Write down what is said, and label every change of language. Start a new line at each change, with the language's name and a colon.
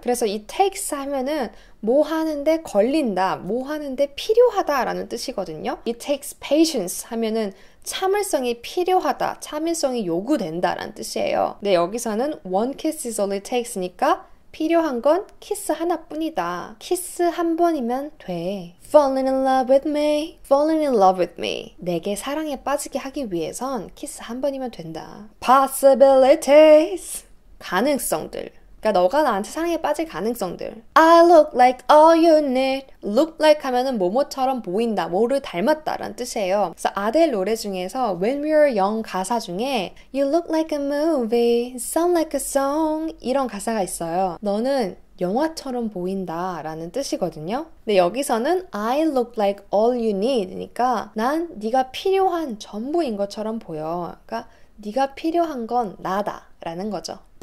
Korean: 그래서 이 takes 하면은 뭐 하는데 걸린다, 뭐 하는데 필요하다라는 뜻이거든요.
English: It takes patience
Korean: 하면은 참을성이 필요하다, 참을성이 요구된다라는 뜻이에요. 근데 여기서는
English: One kiss is all it takes
Korean: 니까 필요한 건 키스 하나뿐이다. 키스 한 번이면 돼.
English: Falling in love with me, falling in love with me.
Korean: 내게 사랑에 빠지게 하기 위해선 키스 한 번이면 된다. Possibilities. 가능성들. 그러니까 너가 나한테 사랑에 빠질 가능성들.
English: I look like all you need.
Korean: Look like 하면은 뭐뭐처럼 보인다, 뭐를 닮았다라는 뜻이에요. 그래서 아델 노래 중에서 When We Were Young 가사 중에
English: You look like a movie, sound like a song
Korean: 이런 가사가 있어요. 너는 영화처럼 보인다라는 뜻이거든요. 근데 여기서는
English: I look like all you need
Korean: 니까 난 네가 필요한 전부인 것처럼 보여. 그러니까 네가 필요한 건 나다라는 거죠.